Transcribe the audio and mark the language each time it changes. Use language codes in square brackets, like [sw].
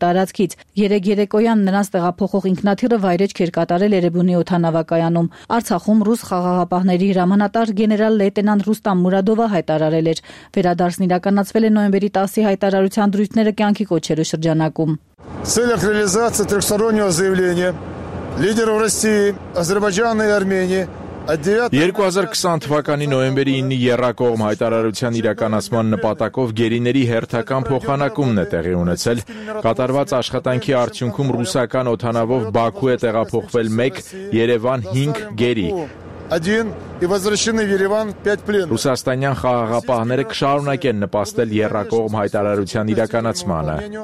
[hy] տարածքից։ 3 երեկոյան նրանց տեղափոխող ինքնաթիռը վայրեջք էր կատարել Երևանի օթանավակայանում։ Արցախում ռուս խաղաղապահների հրամանատար գեներալ լեյտենանտ Ռուստամ Մուրադովը հայտարարել էր. Վերադարձն իրականացվել է նոյեմբերի 10-ի հայտարարության դրույթները կյանքի կոչելու շրջանակում։ [ru] Цель реализации трехстороннего заявления лидеров России, Азербайджана и Армении [hy] 2020 թվականի նոյեմբերի 9-ի Եռակողմ հայտարարության իրականացման նպատակով գերիների հերթական փոխանակումն է տեղի ունեցել։ Կատարված աշխատանքի արդյունքում ռուսական օթանավով Բաքու է տեղափոխվել 1, Երևան 5 գերի։ Ռուսաստանյան խաղաղապահները կշարունակեն նպաստել Եռակողմ հայտարարության իրականացմանը։